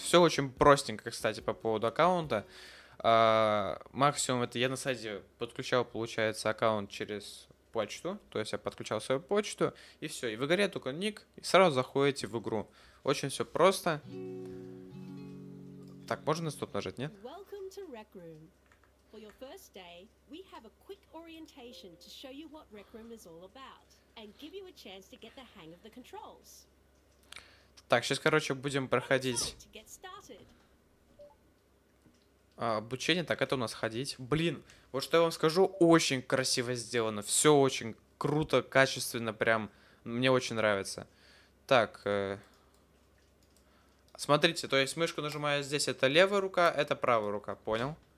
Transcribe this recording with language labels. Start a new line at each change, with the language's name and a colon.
Russian: Все очень простенько, кстати, по поводу аккаунта. Максимум это я на сайте подключал, получается, аккаунт через... почту, то есть я подключал свою почту, и все, и в игре только ник, и сразу заходите в игру. Очень все просто. Так, можно на стоп нажать, нет?
English: Welcome to Rec Room. For your first day, we have a quick orientation to show you what Rec Room is all about and give you a chance to get the hang of the controls.
Russian: Так, сейчас, короче, будем проходить обучение. Так, это у нас ходить. Блин, вот что я вам скажу, очень красиво сделано. Все очень круто, качественно, прям. Мне очень нравится. Так, смотрите, то есть мышку нажимаю здесь, это левая рука, это правая рука, понял?